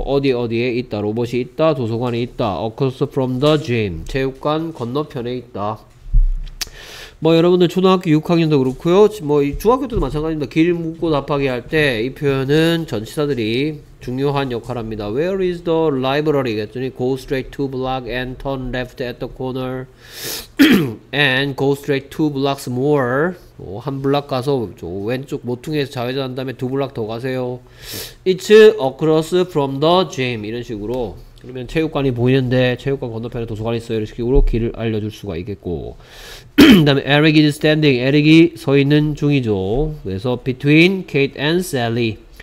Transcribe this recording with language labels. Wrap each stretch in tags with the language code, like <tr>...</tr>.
<ko>어디 어디에 있다. 로봇이 있다. 도서관에 있다.</ko> <en>across from the gym.</en> <ko>체육관 건너편에 있다. 뭐 여러분들 초등학교 6학년도 그렇고요. 뭐 중학교 때도 마찬가지입니다. 길 묻고 답하기 할 때 이 표현은 전치사들이 중요한 역할을 합니다.</ko> <en>Where is the library?</en> <ko>그랬더니</ko> <en>go straight two blocks and turn left at the corner and go straight two blocks more.</en> <ko>뭐 한 블록 가서 왼쪽 모퉁이에서 좌회전한 다음에 두 블록 더 가세요.</ko> <en>It's across from the gym.</en> <ko>이런 식으로 그러면 체육관이 보이는데 체육관 건너편에 도서관이 있어요. 이런 식으로 길을 알려줄 수가 있겠고 그 다음에</ko> <en>Eric is standing.</en> <ko>Eric이 서 있는 중이죠. 그래서</ko> <en>between Kate and Sally.</en>